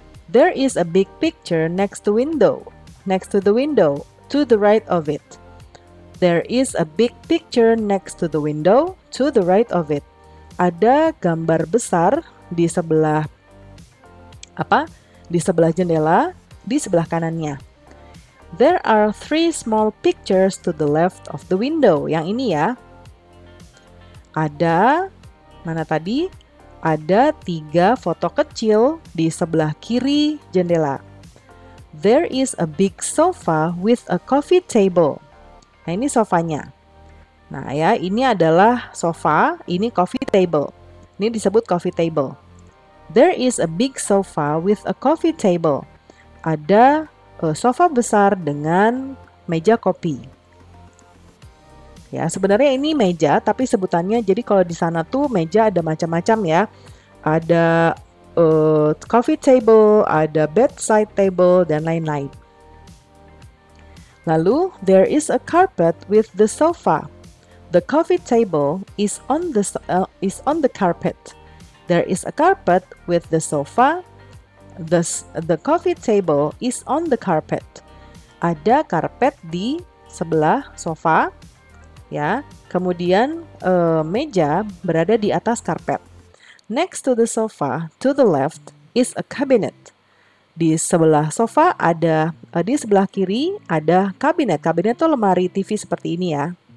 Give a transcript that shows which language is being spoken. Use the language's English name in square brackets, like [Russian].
[English] There is a big picture next to window. Next to the window, to the right of it. There is a big picture next to the window to the right of it. [Indonesian] Ada gambar besar di sebelah apa? Di sebelah jendela di sebelah kanannya. [English] There are three small pictures to the left of the window. [Indonesian] Yang ini ya. Ada mana tadi? Ada tiga foto kecil di sebelah kiri jendela. [English] There is a big sofa with a coffee table. [Indonesian] Nah, ini sofanya. Nah, ya, ini adalah sofa, ini coffee table. Ini disebut coffee table. [English] There is a big sofa with a coffee table. [Indonesian] Ada sofa besar dengan meja kopi. Ya, sebenarnya ini meja, tapi sebutannya, jadi kalau di sana tuh meja ada macam-macam ya. Ada coffee table, ada bedside table, dan lain-lain. [English] Lalu, there is a carpet with the sofa. The coffee table is on the carpet. There is a carpet with the sofa. The coffee table is on the carpet. [Indonesian] Ada karpet di sebelah sofa. Ya, kemudian meja berada di atas karpet. [English] Next to the sofa, to the left, is a cabinet. [Indonesian] Di sebelah sofa ada, di sebelah kiri ada kabinet. Kabinet itu lemari TV seperti ini ya.